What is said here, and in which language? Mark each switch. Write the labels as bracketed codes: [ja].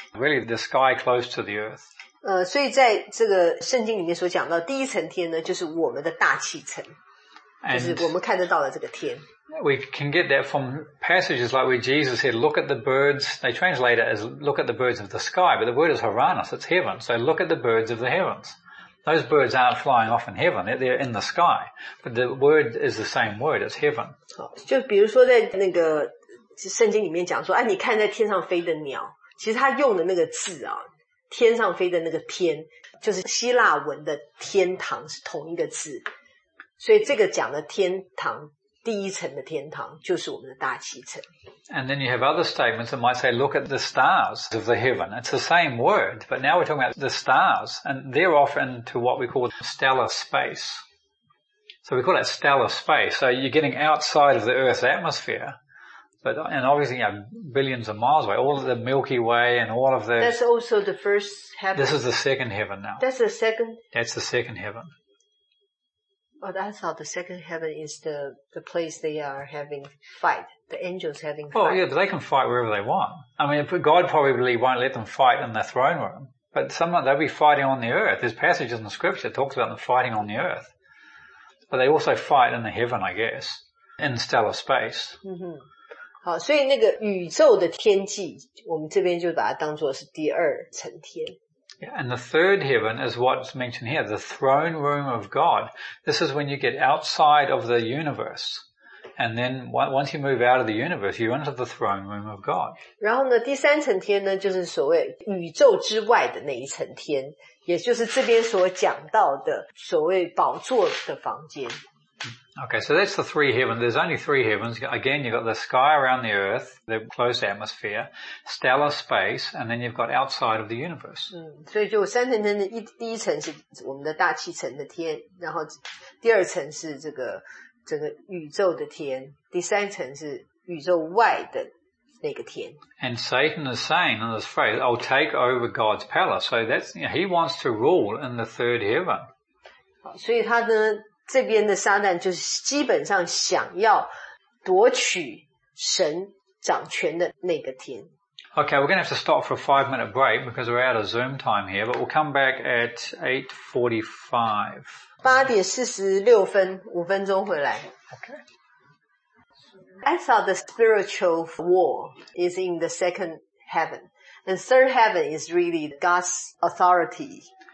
[en] Really, the sky close to the earth. [zh] 所以在这个圣经里面所讲到第一层天呢，就是我们的大气层，就是我们看得到的这个天。 [en] And、we can get that from passages like where Jesus said, look at the birds, they translate it as look at the birds of the sky, but the word is Hieronymus, it's heaven. So look at the birds of the heavens. Those birds aren't flying off in heaven, they're in the sky. But the word is the same word, it's heaven. [zh] 就比如说在那个圣经里面讲说，哎，你看在天上飞的鸟，其实他用的那个字啊，天上飞的那个天，就是希腊文的天堂是同一个字，所以这个讲的天堂，第一层的天堂就是我们的大气层。 [en] And then you have other statements that might say, look at the stars of the heaven. It's the same word, but now we're talking about the stars, and they're off into what we call stellar space. So we call that stellar space. So you're getting outside of the Earth's atmosphere. But, and obviously, you know, billions of miles away. All of the Milky Way and all of the... That's also the first heaven. This is the second heaven now. That's the second? That's the second heaven. Oh, that's how the second heaven is the place they are having fight. The angels having fight. Well, yeah, but they can fight wherever they want. I mean, God probably won't let them fight in the throne room. But someone, they'll be fighting on the earth. There's passages in the scripture that talks about them fighting on the earth. But they also fight in the heaven, I guess. In stellar space. Mm-hmm. [zh] 好，所以那个宇宙的天际，我们这边就把它当作是第二层天。 [en] Yeah, and the third heaven is what's mentioned here, the throne room of God. This is when you get outside of the universe. And then once you move out of the universe, you enter the throne room of God. [zh] 然后呢，第三层天呢，就是所谓宇宙之外的那一层天，也就是这边所讲到的所谓宝座的房间。 [en] Okay, so that's the three heavens. There's only three heavens. Again, you've got the sky around the earth, the close atmosphere, stellar space, and then you've got outside of the universe. [zh] 所以就三层天的第一层是我们的大气层的天，然后第二层是这个整个宇宙的天，第三层是宇宙外的那个天。 [en] And Satan is saying in this phrase, I'll take over God's palace. So that's, you know, he wants to rule in the third heaven. [zh] 所以他呢这边的撒旦就是基本上想要夺取神掌权的那个天。 [en] Okay, we're going to have to stop for a 5-minute break because we're out of Zoom time here, but we'll come back at 8:45. [zh] 8:46, 五分钟回来。 [en] Okay. I thought the spiritual war is in the second heaven, and third heaven is really God's authority.